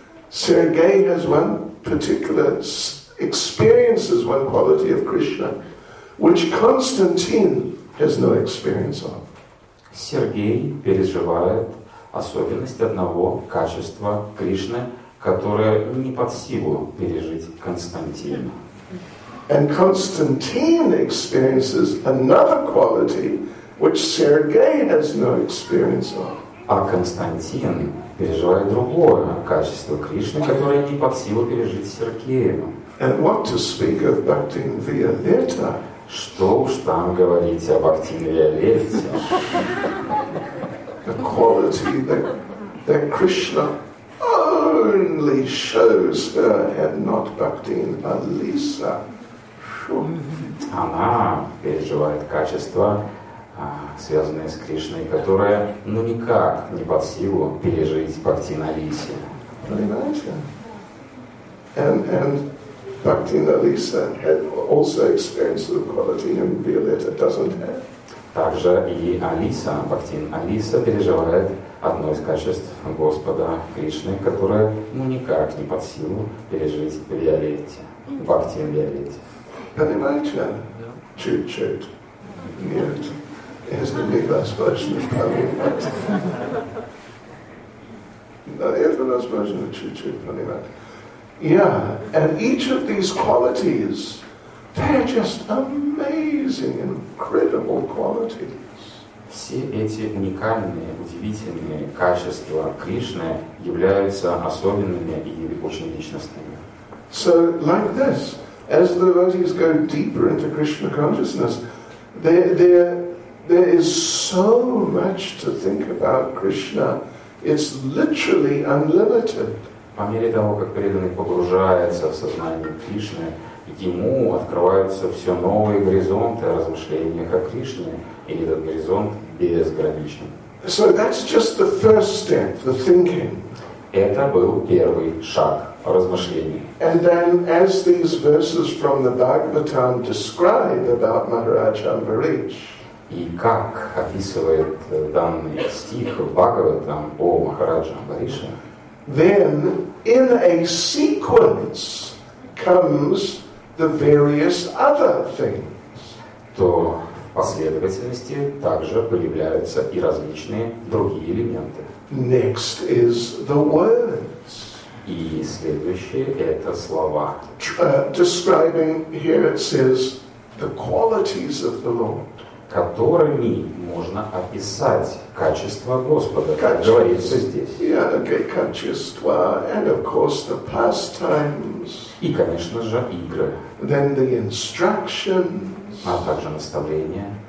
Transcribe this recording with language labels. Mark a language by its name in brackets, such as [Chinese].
[English] Сергей has one particular, experiences one quality of Krishna, which Konstantin has no experience of. [Russian] Сергей переживает особенность одного качества Кришны, которое не под силу пережить Константину. [English] And Konstantin experiences another quality which Сергей has no experience of. [Russian] А Константин переживает другое качество Кришны, которое не под силу пережить Сергею. [English] And what to speak of Bhakti Violetta? [Russian] Что уж там говорить об Бхактине Виолетте? [English] The quality that Krishna only shows her had not Bhaktin Alisa. [Russian] Она переживает качества, связанные с Кришной, которые ну никак не под силу пережить Бхактин Алисе. Понимаете? [English] And Bhaktin Alisa had also experienced the quality and Violetta doesn't have. [Russian] Также и Алиса, Бхактин Алиса, переживает одно из качеств Господа Кришны, которое ну никак не под силу пережить Виолетте, Бхактин Виолетте. Понимаете? Чуть-чуть. Нет. It's going to be less version of Panimat. It's the less version of Chuchu Panimat. [English] Yeah, and each of these qualities, they're just amazing, incredible qualities. [Russian] Все эти уникальные, удивительные качества Кришны являются особенными и очень личностными. [English] So, like this, as the devotees go deeper into Krishna consciousness, there is so much to think about Krishna. It's literally unlimited. [Russian] По мере того, как преданный погружается в сознание Кришны, ему открываются все новые горизонты размышлений о Кришне, и этот горизонт безграничен. [English] So that's just the first step, the thinking. [Russian] Это был первый шаг размышлений. [English] And then, as these verses from the Bhagavatam describe about Maharaj Ambarish. [Russian] И как описывает данный стих в Бхагаватам о Махарадже Амбарише? [English] Then in a sequence comes the various other things. [Russian] То в последовательности также появляются и различные другие элементы. [English] Next is the words. [Russian] И следующее это слова. [English] Describing here it says the qualities of the Lord. [Russian] Которыми можно описать качество Господа, как говорится здесь. [English] Yeah, okay, качество, and of course the pastimes. [Russian] И, конечно же, игры. [English] Then the instructions. [Russian] А также наставления.